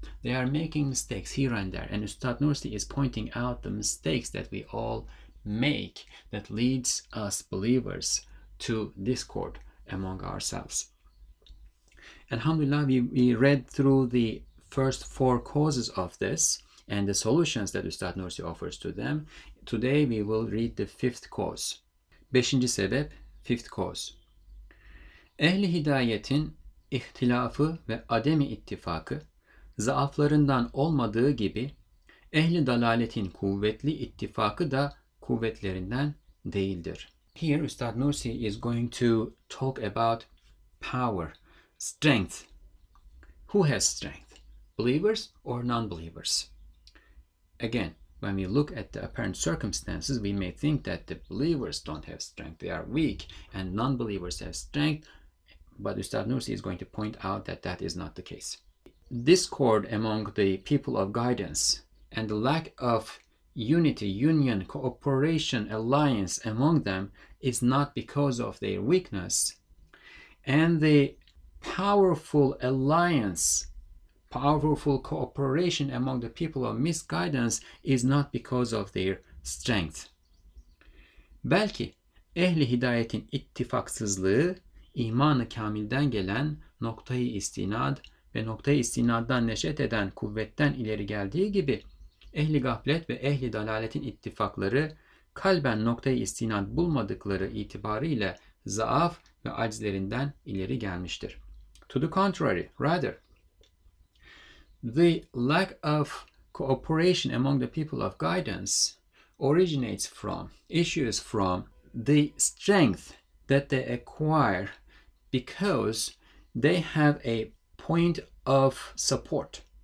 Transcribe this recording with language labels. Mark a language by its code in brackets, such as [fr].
[en] They are making mistakes here and there, and Ustad Nursi is pointing out the mistakes that we all make that leads us believers to discord among ourselves. Alhamdulillah, we read through the first four causes of this and the solutions that Ustad Nursi offers to them. Today we will read the fifth cause. [tr] Beşinci sebep, [en] fifth cause. [tr] Ehli hidayetin ihtilafı ve ademi ittifakı, zaaflarından olmadığı gibi, ehli dalaletin kuvvetli ittifakı da kuvvetlerinden değildir. [en] Here Ustad Nursi is going to talk about power, strength. Who has strength? Believers or non-believers? Again, when we look at the apparent circumstances, we may think that the believers don't have strength. They are weak and non-believers have strength. But Ustad Nursi is going to point out that that is not the case. Discord among the people of guidance and the lack of unity, union, cooperation, alliance among them is not because of their weakness. And the powerful alliance, powerful cooperation among the people of misguidance is not because of their strength. [tr] Belki ehli hidayetin ittifaksızlığı imanı kamilden gelen noktayı istinad ve noktayı istinaddan neşet eden kuvvetten ileri geldiği gibi ehli gaflet ve ehli dalaletin ittifakları kalben noktayı istinad bulmadıkları itibarıyla zaaf ve acizlerinden ileri gelmiştir. [en] To the contrary, rather, the lack of cooperation among the people of guidance originates from, issues from, the strength that they acquire because they have a point of support.